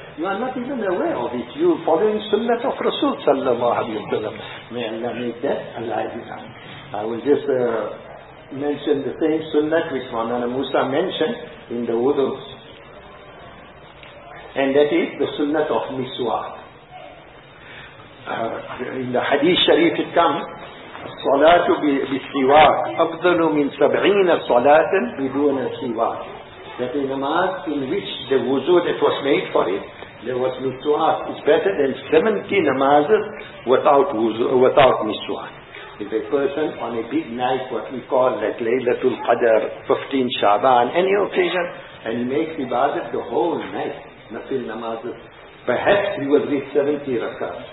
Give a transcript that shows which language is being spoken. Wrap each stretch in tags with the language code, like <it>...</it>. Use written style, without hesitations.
<en>You are not even aware of it. You are following Sunnah of Rasul sallallahu alayhi wa sallam. May Allah make that alive in us. I will just mention the same Sunnah which Maulana Musa mentioned in the wudus. And that is the Sunnah of Miswak. In the Hadith Sharif it comes,</en> <ar>الصلاة بالسواك أفضل من 70 صلاة بدون سواك.</ar> <en>That is a mass in which the wuzu that was made for it, there was miswak, is better than 70 namazes without wuzu, without miswak. If a person on a big night, what we call like Laylatul Qadr, 15 Shaban, any occasion, and makes ibadat the whole night, nafil namazes, perhaps he will read 70 rakat.</en>